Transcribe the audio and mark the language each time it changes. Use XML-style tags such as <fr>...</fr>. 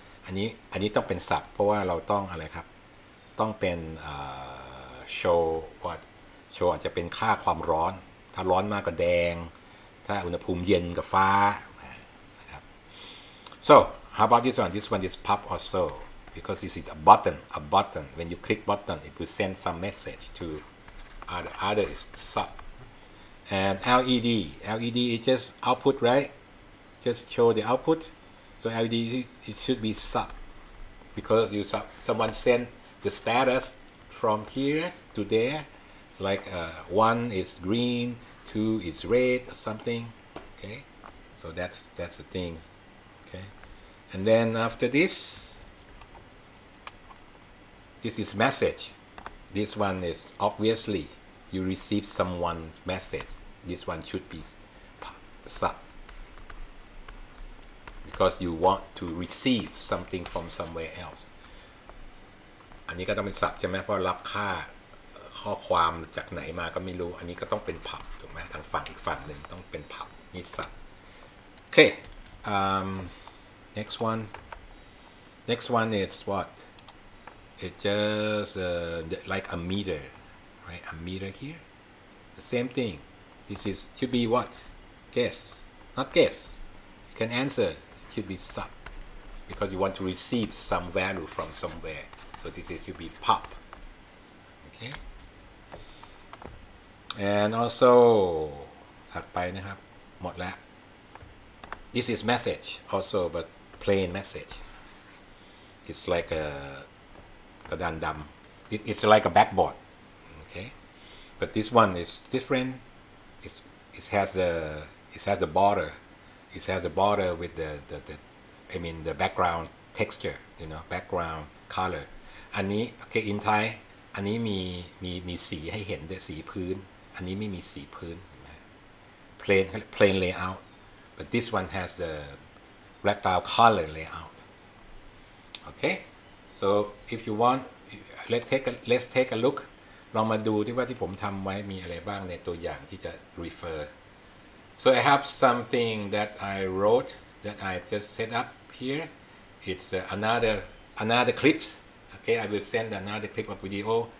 <th>อันนี้ต้องเป็นสับเพราะว่าเราต้องอะไรครับต้องเป็น show what show อาจจะเป็นค่าความร้อนถ้าร้อนมากก็แดงถ้าอุณหภูมิเย็นก็ฟ้านะครับ</th> <en>So how about this one? This one is pop or so. Because this is a button. When you click button, it will send some message to other is sub. And LED is just output, right? Just show the output. So LED, it should be sub. Because you sub, someone send the status from here to there. Like one is green, two is red or something. Okay, so that's the thing. Okay, and then after this,This is message. This one is obviously you receive someone's message. This one should be sub because you want to receive something from somewhere else.</en> <th>อันนี้ก็ต้องเป็นสับใช่ไหมเพราะรับค่าข้อความจากไหนมาก็ไม่รู้อันนี้ก็ต้องเป็นผับถูกไหมทางฝั่งอีกฝั่งหนึ่งต้องเป็นผับนี่สับโอเค</th> <en>next one is whatIt's just like a meter, right? A meter here. The same thing. This is should be what? Guess. Not guess. You can answer. It should be sub. because you want to receive some value from somewhere. So this is you be pop. Okay. And also,</en> <th>ถัดไปนะครับหมดแล้ว</th> <en>This is message also, but plain message. It's like a dum dum. It's like a backboard. Okay, but this one is different. It has a border. It has a border with the background texture. You know, background color.</en> <th>อันนี้โอเคอินไทอันนี้มีสีให้เห็นด้วยสีพื้นอันนี้ไม่มีสีพื้น</th> <en>plain layout but this one has the background color layout okay so if you want let's take a look</en> <th>ลองมาดูที่ว่าที่ผมทำไว้มีอะไรบ้างในตัวอย่างที่จะ</th> <en>refer so I have something that I wrote that I just set up here it's another clip okay I will send another clip of video</en>